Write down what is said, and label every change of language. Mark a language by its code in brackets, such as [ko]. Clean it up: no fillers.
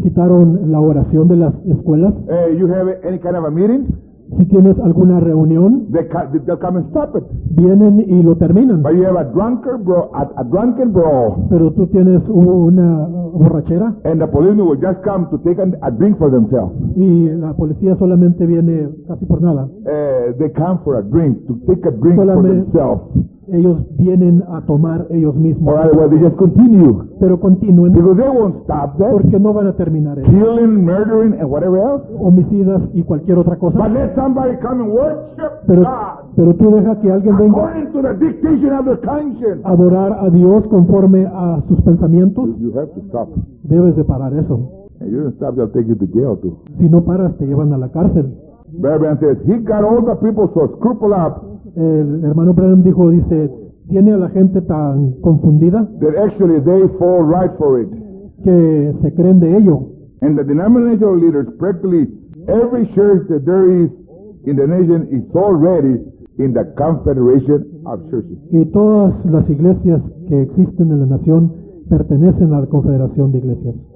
[es] Quitaron la oración de las escuelas. [en] You have any kind of a meeting? [es] Si tienes alguna reunión, [en] they'll come and stop it. [es] Vienen y lo terminan. [en] But you have a drunken brawl. [es] Pero tú tienes una borrachera. [en] And the police will just come to take a drink for themselves. [es] Y la policía solamente viene casi por nada. [en] They come for a drink, to take a drink [es] solamente [en] for themselves. [es] Ellos vienen a tomar ellos mismos. [en] Or otherwise, they just continue. [es] Pero continúen. [en] Because they won't stop that. [es] Porque no van a terminar eso. [en] Killing, murdering, and whatever else. [es] Homicidas y cualquier otra cosa. [en] But let somebody come and worship [es] pero, [en] God. [es] Pero tú deja que alguien venga. [en] According to the dictation of their conscience. [es] Adorar a Dios conforme a sus pensamientos. [en] You have to stop. [es] Debes de parar eso. [en] If you don't stop, they'll take you to jail too. [es] Si no paras, te llevan a la cárcel. [en] Brian says, he got all the people so scrupulous up. [es] El hermano Branham dijo, dice, tiene a la gente tan confundida [en] that actually they fall right for it. [es] Que se creen de ello. [en] And the denominational leaders, practically every church that there is in the nation is already in the confederation of churches. [es] Y todas las iglesias que existen en la nación pertenecen a la confederación de iglesias.